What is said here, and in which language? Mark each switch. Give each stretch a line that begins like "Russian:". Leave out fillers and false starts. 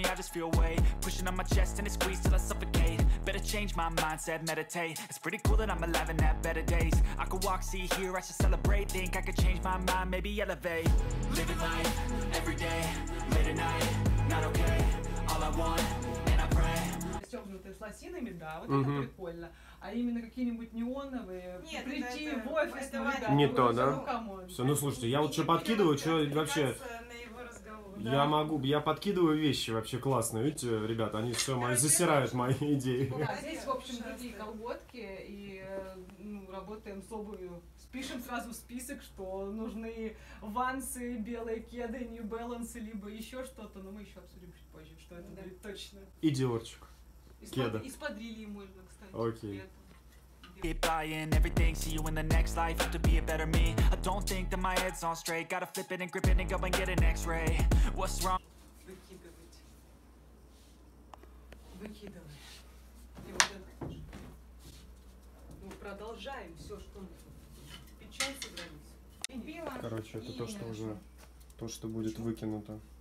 English: I just feel weight pushing on my chest and it squeezes till I suffocate. Better change my mindset, meditate. It's pretty cool that I'm alive and have better days. I could walk, see, hear, I should celebrate. Think I could change my mind, maybe elevate. Living life, every day, late at night, not okay, all I want.
Russian: Стёгнутые с лосинами, да, вот это прикольно. А именно какие-нибудь неоновые, нет, прийти это, в офис, это, ну, да, не то, да? Ну, камон. Всё, ну, слушайте, я вот что подкидываю, что вообще... Да. Я могу, я подкидываю вещи вообще классные, видите, ребята, они все мои, засирают мои идеи. Да, здесь, в общем, другие колготки, и, ну, работаем с обувью. Пишем сразу в список, что нужны вансы, белые кеды, New Balance, либо еще что-то, но мы еще обсудим чуть позже, что это будет точно. И Диорчик, кеда. И спадрильи можно, кстати. Окей.
English: Keep buying everything, see you in the next life, have to be a better me. I don't think that my head's on straight, gotta flip it and grip it and go and get an x-ray. What's wrong?
Russian: Выкидывать. И вот это. Мы продолжаем все, что мы печать собрались. Короче, это то, что уже, то, что будет выкинуто.